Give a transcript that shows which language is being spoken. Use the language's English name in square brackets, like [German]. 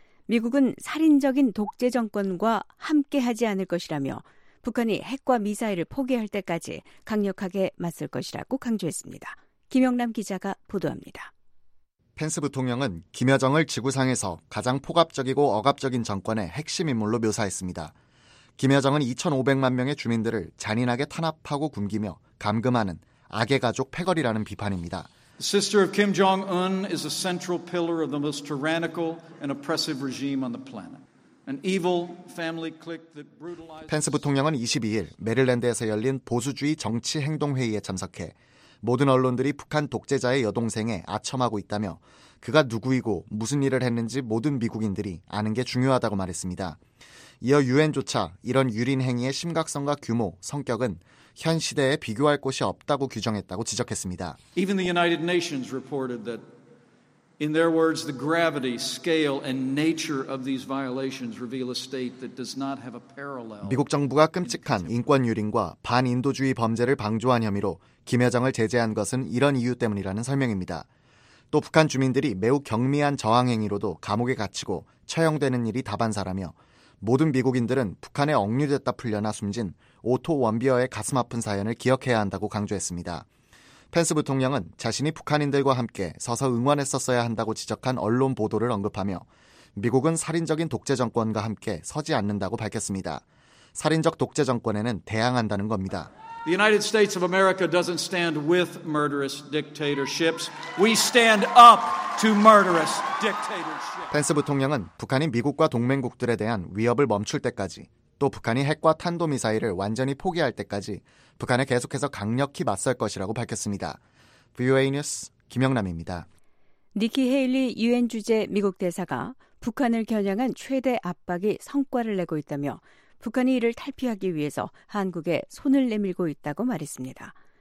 [Korean] 미국은 살인적인 독재 정권과 함께하지 않을 것이라며 북한이 핵과 미사일을 포기할 때까지 강력하게 맞설 것이라고 강조했습니다. 김영남 기자가 보도합니다. 펜스 부통령은 김여정을 지구상에서 가장 폭압적이고 억압적인 정권의 핵심 인물로 묘사했습니다. 김여정은 2,500만 명의 주민들을 잔인하게 탄압하고 굶기며 감금하는 악의 가족 패거리라는 비판입니다. [English] Sister of Kim Jong-un is a central pillar of the most tyrannical and oppressive regime on the planet. An evil family clique that brutalized. [Korean] 펜스 부통령은 22일 메릴랜드에서 열린 보수주의 정치 행동 회의에 참석해 모든 언론들이 북한 독재자의 여동생에 아첨하고 있다며 그가 누구이고 무슨 일을 했는지 모든 미국인들이 아는 게 중요하다고 말했습니다. 이어 유엔조차 이런 유린 행위의 심각성과 규모, 성격은 현 시대에 비교할 곳이 없다고 규정했다고 지적했습니다. [English] Even the United Nations reported that in their words the gravity, scale and nature of these violations reveal a state that does not have a parallel. [Korean] 미국 정부가 끔찍한 인권 유린과 반인도주의 범죄를 방조한 혐의로 김여정을 제재한 것은 이런 이유 때문이라는 설명입니다. 또 북한 주민들이 매우 경미한 저항 행위로도 감옥에 갇히고 처형되는 일이 다반사라며 모든 미국인들은 북한에 억류됐다 풀려나 숨진 오토 원비어의 가슴 아픈 사연을 기억해야 한다고 강조했습니다. 펜스 부통령은 자신이 북한인들과 함께 서서 응원했었어야 한다고 지적한 언론 보도를 언급하며 미국은 살인적인 독재 정권과 함께 서지 않는다고 밝혔습니다. 살인적 독재 정권에는 대항한다는 겁니다. [English] The United States of America doesn't stand with murderous dictatorships. We stand up to murderous dictatorships. [Korean] 펜스 부통령은 북한이 미국과 동맹국들에 대한 위협을 멈출 때까지 또 북한이 핵과 탄도미사일을 완전히 포기할 때까지 북한에 계속해서 강력히 맞설 것이라고 밝혔습니다. VOA 뉴스 김영남입니다. 니키 헤일리 유엔 주재 미국 대사가 북한을 겨냥한 최대 압박이 성과를 내고 있다며 북한이 이를 탈피하기 위해서 한국에 손을 내밀고 있다고 말했습니다.